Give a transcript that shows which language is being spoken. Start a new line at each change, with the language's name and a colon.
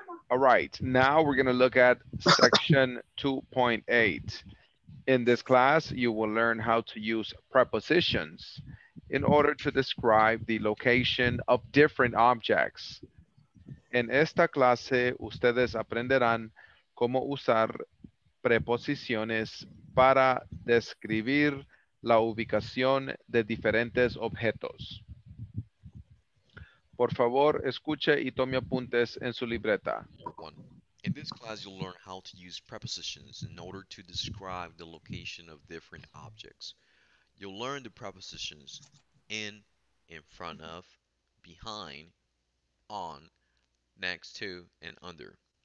English: All right, now we're going to look at section 2.8. In this class, you will learn how to use prepositions in order to describe the location of different objects.
Spanish: En esta clase, ustedes aprenderán cómo usar preposiciones para describir la ubicación de diferentes objetos. Por favor, escuche y tome apuntes en su libreta.
English: In this class, you'll learn how to use prepositions in order to describe the location of different objects. You'll learn the prepositions in front of, behind, on, next to, and under.